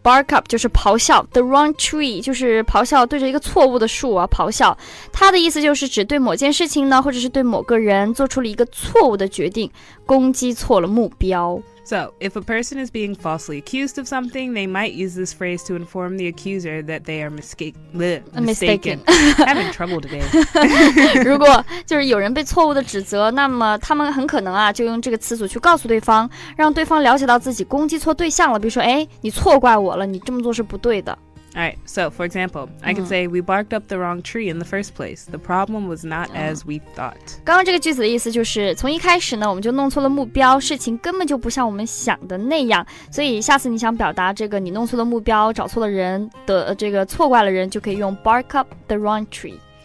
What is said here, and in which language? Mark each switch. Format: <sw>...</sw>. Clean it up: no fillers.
<zh>Bark up 就是咆哮 The wrong tree 就是咆哮对着一个错误的树啊咆哮它的意思就是指对某件事情呢或者是对某个人做出了一个错误的决定攻击错了目标</zh> <en>So, if a person is being falsely accused of something, they might use this phrase to inform the accuser that they are mistaken. I'm having trouble today.</en> <zh>如果就是有人被错误的指责，那么他们很可能啊，就用这个词组去告诉对方，让对方了解到自己攻击错对象了。比如说，哎，你错怪我了，你这么做是不对的。</zh> <en>Alright, so for example, I can say we barked up the wrong tree in the first place. The problem was not as we thought.</en> <zh>刚刚这个句子的意思就是从一开始呢我们就弄错了目标事情根本就不像我们想的那样所以下次你想表达这个你弄错了目标找错了人的这个错怪了人就可以用 bark up the wrong tree.</zh>